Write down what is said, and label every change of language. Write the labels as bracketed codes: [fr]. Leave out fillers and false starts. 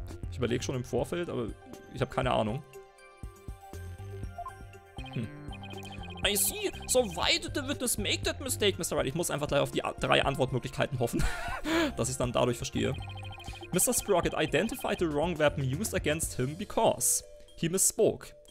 [de] Ich überlege schon im Vorfeld, aber ich habe keine Ahnung. [en] I see. So why did the witness make that mistake, Mr. Wright? [de] Ich muss einfach gleich auf die drei Antwortmöglichkeiten hoffen, dass ich es dann dadurch verstehe. [en] Mr. Sprocket identified the wrong weapon used against him because he misspoke.